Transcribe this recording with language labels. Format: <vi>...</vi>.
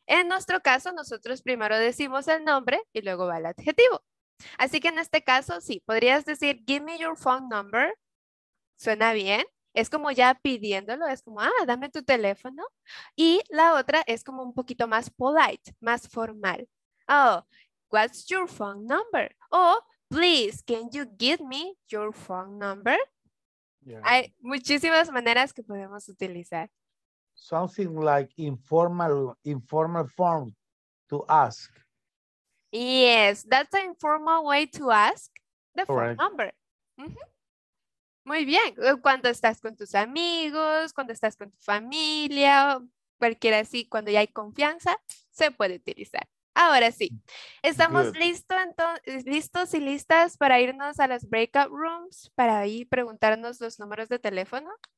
<es>En nuestro caso, nosotros primero decimos el nombre y luego va el adjetivo. Así que en este caso, sí, podrías decir,</es> <en>give me your phone number.</en> <es>Suena bien. es como ya pidiéndolo, es como, ah, dame tu teléfono. Y la otra es como un poquito más polite, más formal.</es> <en>Oh, what's your phone number? Oh, please, can you give me your phone number?</en> <es>Yeah. Hay muchísimas maneras que podemos utilizar.</es> <en>Something like informal form to ask. Yes, that's an informal way to ask the phone right.</en> <es>number. Muy bien. Cuando estás con tus amigos, cuando estás con tu familia, cualquiera así, cuando ya hay confianza, se puede utilizar. Ahora sí, estamos listos y listas para irnos a las breakout rooms para ahí preguntarnos los números de teléfono.</es>